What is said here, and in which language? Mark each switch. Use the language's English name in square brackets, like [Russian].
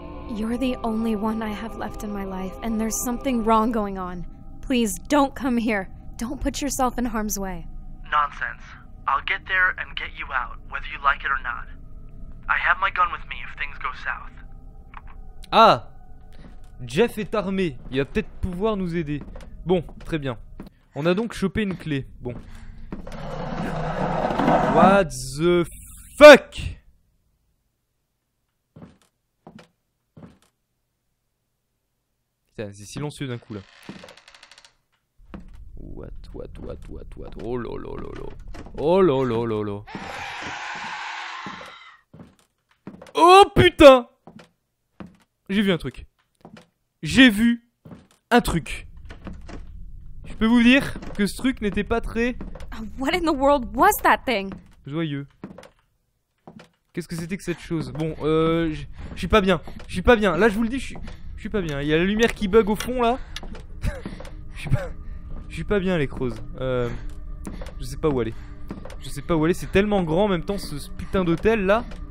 [English] You're the only one I have left in my life, and there's something wrong going on. Please, don't come here. Don't put yourself in harm's way. Nonsense. I'll get there and get you out, whether you like it or not. I have my gun with me if things go south. Ah! [French] Jeff est armé, il va peut-être pouvoir nous aider. Bon, très bien. On a donc chopé une clé. Bon. [English] What the fuck? [French] Putain, c'est silencieux d'un coup là. What? Oh lo lo lo lo. Oh lo lo lo lo. Oh putain! J'ai vu un truc. J'ai vu un truc. Je peux vous dire que ce truc n'était pas très... [English] What in the world was that thing? [French] Joyeux. Qu'est-ce que c'était que cette chose? Bon, je suis pas bien. Je suis pas bien. Là, je vous le dis, je suis pas bien. Il y a la lumière qui bug au fond, là. Je suis pas bien, les Crozes. Je sais pas où aller. Je sais pas où aller. C'est tellement grand en même temps, ce putain d'hôtel, là.